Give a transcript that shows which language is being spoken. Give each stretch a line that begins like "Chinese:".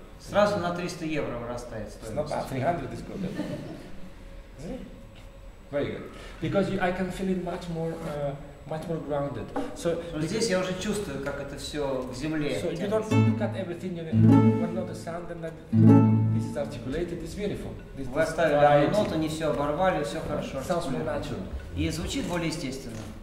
Russian: Сразу на 300 евро вырастает стоимость. Ну,
English: 300 is good. Very good. Because I can feel it much more grounded. So
Russian: здесь я уже чувствую, как это все в земле.
English: So you don't look at everything, you know, the sound and this is articulated, it's beautiful.
Russian: Вы оставили одну ноту, не все оборвали, все хорошо.
English: Sounds more natural.
Russian: И звучит более естественно.